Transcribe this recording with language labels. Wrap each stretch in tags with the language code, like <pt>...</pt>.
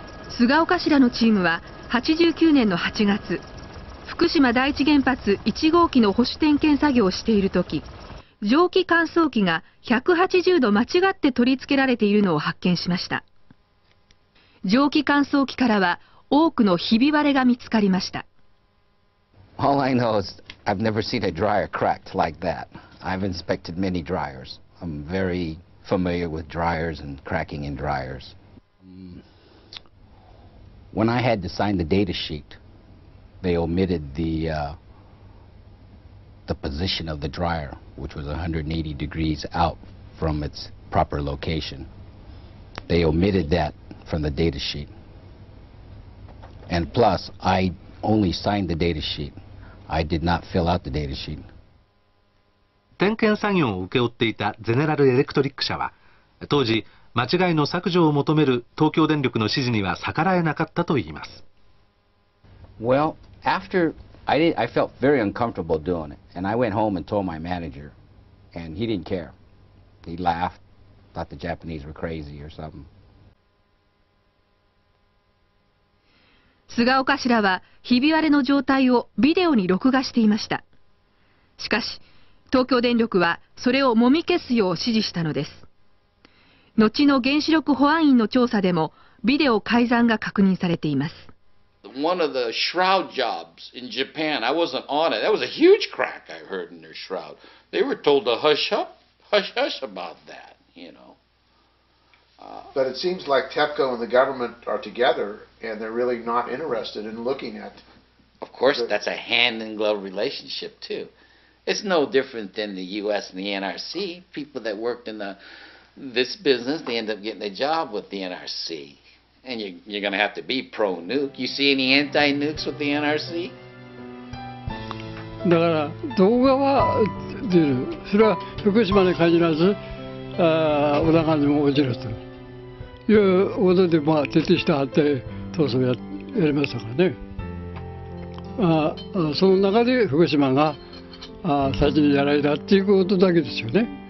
<ja>菅岡氏らのチームは89年の8月、福島第一原発1号機の保守点検作業をしているとき、蒸気乾燥機が180度間違って取り付けられているのを発見しました。蒸気乾燥機からは多くのひび割れが見つかりました。</ja> <en>All I know is I've never seen a dryer cracked like that. I've inspected many dryers. I'm very familiar with dryers and cracking in dryers. When I had to sign the data sheet, they omitted the position of the dryer, which was 180 degrees out from its proper location. They omitted that from the data sheet. And plus, I only signed the data sheet. I did not fill out the data sheet.</en> <ja>点検作業を請け負っていたゼネラルエレクトリック社は、当時間違いの削除を求める東京電力の指示には逆らえなかったといいます。</ja> <en>Well, after I felt very uncomfortable doing it, and I went home and told my manager, and he didn't care. He laughed, thought the Japanese were crazy or something.</en> <ja>菅岡氏らはひび割れの状態をビデオに録画していました。しかし、東京電力はそれをもみ消すよう指示したのです。後の原子力保安院の調査でもビデオ改ざんが確認されています。</ja> <en>One of the shroud jobs in Japan, I wasn't on it. That was a huge crack I heard in their shroud. They were told to hush up, hush hush about that, you know. But it seems like TEPCO and the government are together and they're really not interested in looking at... Of course, that's a hand-in-glove relationship too. It's no different than the U.S. and the NRC. People that worked in this business, they end up getting a job with the NRC. And you're going to have to be pro-nuke. You see any anti-nukes with the NRC?</en> <ja>だから動画は出る。それは福島に限らず、小田川にも落ちるということで、まあ、徹底してはって闘争をやりましたからね。その中で福島が最初にやられたっていうことだけですよね。</ja>